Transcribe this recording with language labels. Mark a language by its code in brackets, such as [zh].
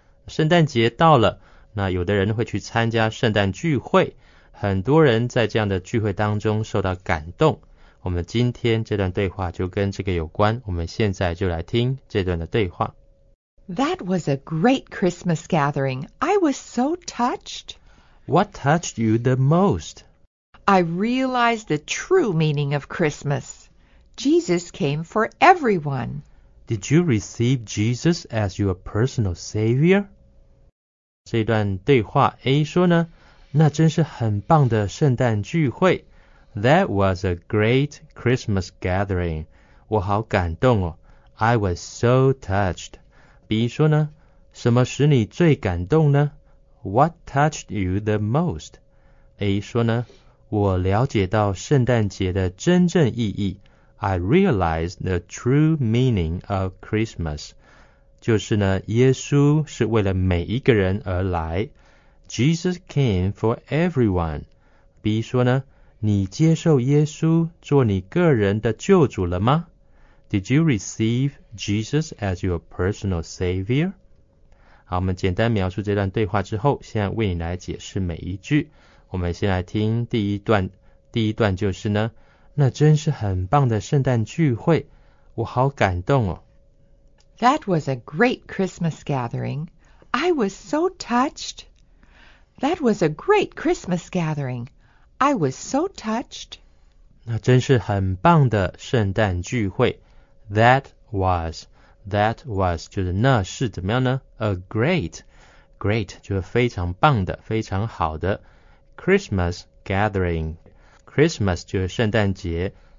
[zh] 圣诞节到了，那有的人会去参加圣诞聚会。很多人在这样的聚会当中受到感动。我们今天这段对话就跟这个有关。我们现在就来听这段的对话。 [en] That was a great Christmas gathering. I was so touched. What touched you the most? I realized the true meaning of Christmas. Jesus came for everyone. Did you receive Jesus as your personal savior? [zh] 这段对话 A 说呢，那真是很棒的圣诞聚会。 [en] That was a great Christmas gathering. [zh] 我好感动哦。 [en] I was so touched. [zh] B 说呢，什么使你最感动呢？ [en] What touched you the most? [zh] A 说呢，我了解到圣诞节的真正意义。 [en] I realized the true meaning of Christmas. [zh] 就是呢，耶稣是为了每一个人而来。 [en] Jesus came for everyone. [zh] B 说呢，你接受耶稣做你个人的救主了吗？ [en] Did you receive Jesus as your personal savior? [zh] 好，我们简单描述这段对话之后，现在为你来解释每一句。我们先来听第一段。第一段就是呢，那真是很棒的圣诞聚会，我好感动哦。 [en] That was a great Christmas gathering. I was so touched. That was a great Christmas gathering. I was so touched. [zh] 那真是很棒的圣诞聚会。 [en] That was [zh] 就是那是怎么样呢？ [en] A great [zh] 就是非常棒的，非常好的。 [en] Christmas gathering. Christmas [zh] 就是圣诞节。